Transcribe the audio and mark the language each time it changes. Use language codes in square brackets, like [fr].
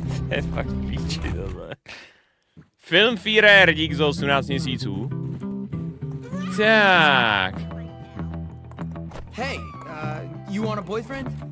[en] That fucking bitch is alive. [cs] Film Führer, dík za 18 měsíců. Tak. [en] Hey, you want a boyfriend?